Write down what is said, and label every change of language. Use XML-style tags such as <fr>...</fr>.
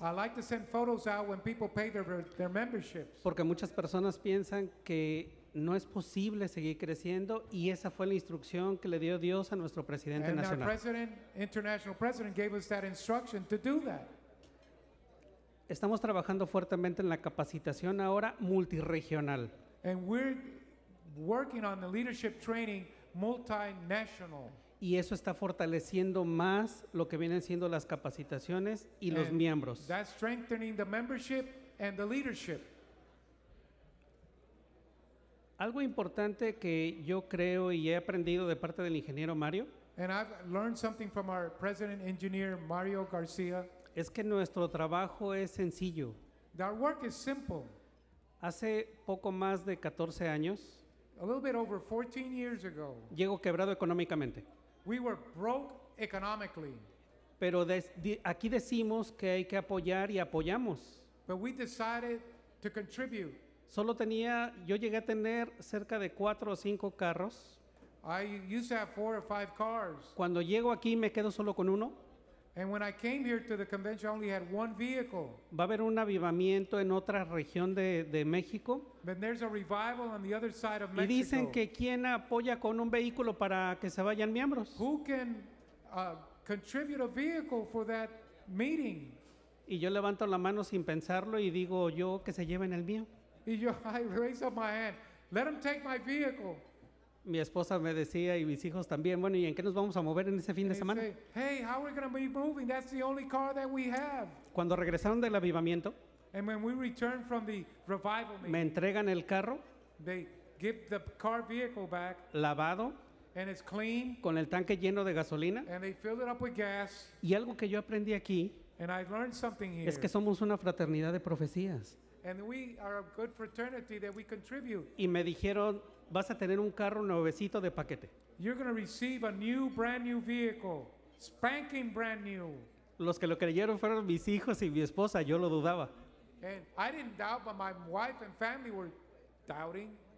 <en>I like to send photos out when people pay their memberships.</en> <es>Porque muchas personas piensan que no es posible seguir creciendo, y esa fue la instrucción que le dio Dios a nuestro presidente</es> <en>and</en> <es>nacional.</es> <en>Our president, international president, gave us that instruction to do that.</en> <es>Estamos trabajando fuertemente en la capacitación ahora multiregional.</es> <en>And we're working on the leadership training multinational.</en> <es>Y eso está fortaleciendo más lo que vienen siendo las capacitaciones y los miembros.</es> <en>That's strengthening the membership and the leadership.</en> <es>Algo importante que yo creo y he aprendido de parte del ingeniero Mario.</es> <en>And I've learned something from our president engineer Mario Garcia.</en> <es>Es que nuestro trabajo es sencillo.</es> <en>Our work is simple.</en> <es>Hace poco más de 14 años.</es> <en>A little bit over 14 years ago.</en> <es>Llego quebrado económicamente.</es> <en>We were broke economically.</en> <es>Pero aquí decimos que hay que apoyar y apoyamos.</es> <en>But we decided to contribute.</en> <es>Yo llegué a tener cerca de 4 o 5 carros.</es> <en>I used to have 4 or 5 cars.</en> <es>Cuando llego aquí me quedo solo con uno.</es> <en>And when I came here to the convention, I only had one vehicle.</en> <es>Va a haber un avivamiento en otra región de México.</es> <en>But there's a revival on the other side of Mexico.</en> <es>Y dicen que quién apoya con un vehículo para que se vayan miembros.</es> <en>Who can contribute a vehicle for that meeting?</en> <es>Y yo levanto la mano sin pensarlo y digo yo que se lleven el mío. Y yo,</es> <en>I raise up my hand. Let them take my vehicle.</en> <es>Mi esposa me decía y mis hijos también, bueno, ¿y en qué nos vamos a mover en ese fin de semana?</es> <en>Hey, how are we going to be moving? That's the only car that we have.</en> <es>Cuando regresaron del avivamiento,</es> <en>and when we returned from the revival meeting,</en> <es>me entregan el carro,</es> <en>they give the car vehicle back,</en> <es>lavado,</es> <en>and it's clean,</en> <es>con el tanque lleno de gasolina,</es> <en>and they filled it up with gas.</en> <es>Y algo que yo aprendí aquí,</es> <en>and I learned something here,</en> <es>es que somos una fraternidad de profecías.</es> <en>And we are a good fraternity that we contribute.</en> <es>Y me dijeron, vas a tener un carro nuevecito de paquete.</es> <en>You're going to receive a new, brand new vehicle. Spanking brand new.</en> <es>Los que lo creyeron fueron mis hijos y mi esposa, yo lo dudaba.</es> <en>And I didn't doubt, but my wife and family were doubting.</en>